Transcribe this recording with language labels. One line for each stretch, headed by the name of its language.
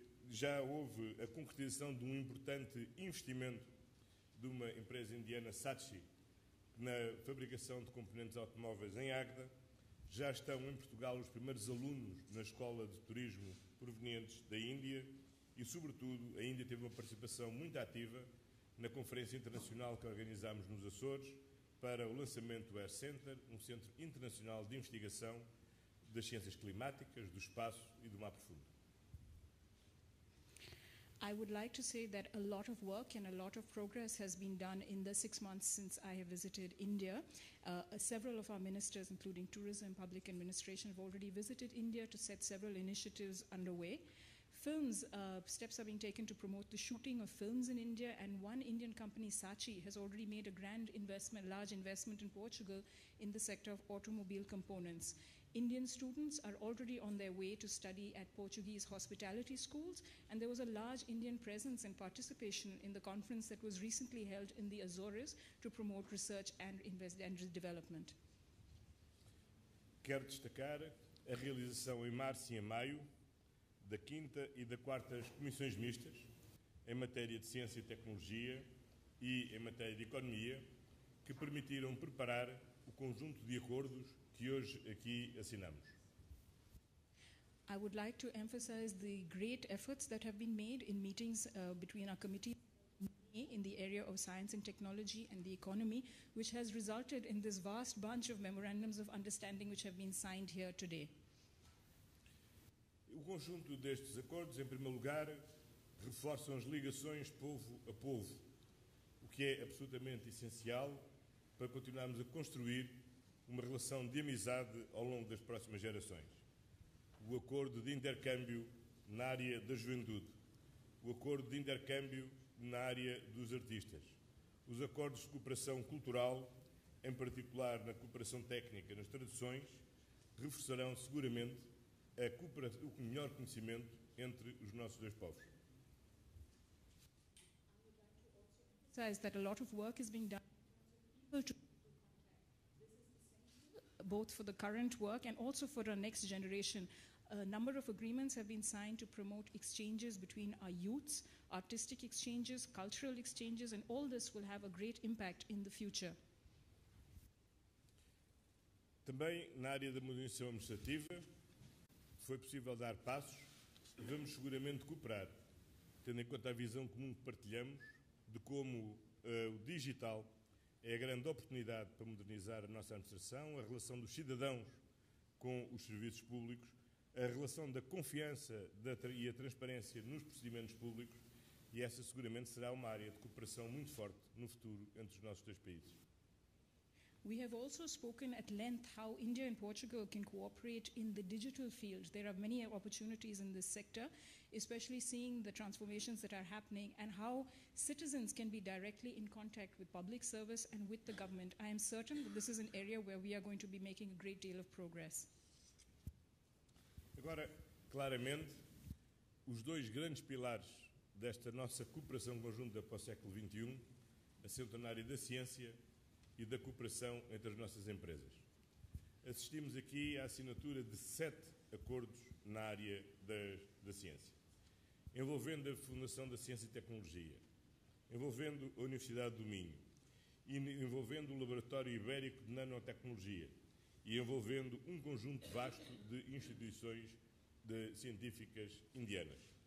Portuguese: já houve a concretização de um importante investimento de uma empresa indiana, Sachi, na fabricação de componentes automóveis em Agda, já estão em Portugal os primeiros alunos na escola de turismo provenientes da Índia, e, sobretudo, a Índia teve uma participação muito ativa na conferência internacional que organizámos nos Açores para o lançamento do Air Center, um centro internacional de investigação das ciências climáticas, do espaço e do mar profundo.
English: I would like to say that a lot of work and a lot of progress has been done in the 6 months since I have visited India. Several of our ministers, including tourism and public administration, have already visited India to set several initiatives underway. Films, steps are being taken to promote the shooting of films in India, and one Indian company, Sachi, has already made a grand investment, large investment in Portugal in the sector of automobile components. Indian students are already on their way to study at Portuguese hospitality schools, and there was a large Indian presence and participation in the conference that was recently held in the Azores to promote research and invest and development.
Portuguese: Quero destacar a realização em março e em maio da 5ª e da 4ª Comissões Mistas em matéria de Ciência e Tecnologia e em matéria de Economia, que permitiram preparar o conjunto de acordos que hoje aqui assinamos.
English: I would like to emphasize the great efforts that have been made in meetings between our committee in the area of science and technology and the economy, which has resulted in this vast bunch of memorandums of understanding which have been signed here today.
Portuguese: O conjunto destes acordos, em primeiro lugar, reforçam as ligações povo a povo, o que é absolutamente essencial para continuarmos a construir uma relação de amizade ao longo das próximas gerações. O acordo de intercâmbio na área da juventude, o acordo de intercâmbio na área dos artistas, os acordos de cooperação cultural, em particular na cooperação técnica, nas traduções, reforçarão seguramente o melhor conhecimento entre os nossos dois povos.
English: Says that a lot of work is being done both for the current work and also for the next generation. A number of agreements have been signed to promote exchanges between our youths, artistic exchanges, cultural exchanges, and all this will have a great impact in the future.
Portuguese: Também na área da modernização administrativa foi possível dar passos e vamos seguramente cooperar, tendo em conta a visão comum que partilhamos de como o digital é a grande oportunidade para modernizar a nossa administração, a relação dos cidadãos com os serviços públicos, a relação da confiança e a transparência nos procedimentos públicos, e essa seguramente será uma área de cooperação muito forte no futuro entre os nossos dois países.
English: We have also spoken at length how India and Portugal can cooperate in the digital field. There are many opportunities in this sector, especially seeing the transformations that are happening and how citizens can be directly in contact with public service and with the government. I am certain that this is an area where we are going to be making a great deal of progress.
Portuguese: Agora, claramente, os dois grandes pilares desta nossa cooperação conjunta para o século XXI assentam na área da ciência e da cooperação entre as nossas empresas. Assistimos aqui à assinatura de 7 acordos na área da ciência, envolvendo a Fundação da Ciência e Tecnologia, envolvendo a Universidade do Minho, envolvendo o Laboratório Ibérico de Nanotecnologia e envolvendo um conjunto vasto de instituições científicas indianas.